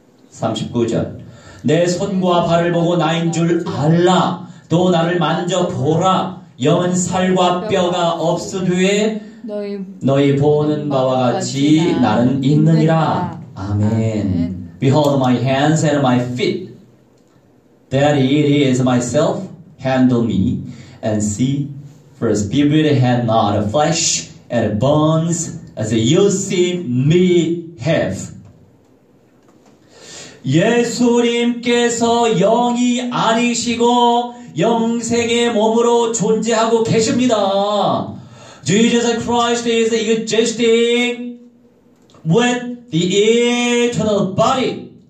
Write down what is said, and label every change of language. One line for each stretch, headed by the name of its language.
Korean: 39절 내 손과 발을 보고 나인 줄 알라 또 나를 만져보라 영은 살과 뼈가 없으되 너희 보는 바와 같이 나는 있느니라 아멘
English: Behold my hands and my feet. That it is myself. Handle me and see. For a spirit had not a flesh and bones as you see me have.
Korean: 예수님께서 영이 아니시고 영생의 몸으로 존재하고 계십니다.
English: Jesus Christ is existing with the eternal body.